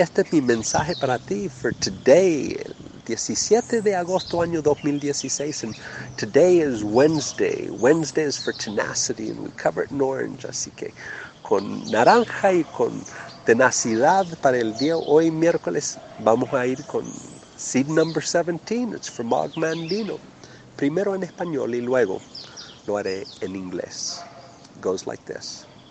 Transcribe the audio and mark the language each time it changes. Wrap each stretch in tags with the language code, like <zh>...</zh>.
<es>Este es mi mensaje para ti</es> <en>for today,</en> <es>17 de agosto, año 2016.</es> <en>And today is Wednesday. Wednesday is for tenacity, and we cover it in orange.</en> <es>Así que con naranja y con tenacidad para el día hoy, miércoles, vamos a ir con</es> <en>seed number 17. It's for Mog Mandino.</en> <es>Primero en español y luego lo haré en inglés.</es> <en>Goes like this.</en>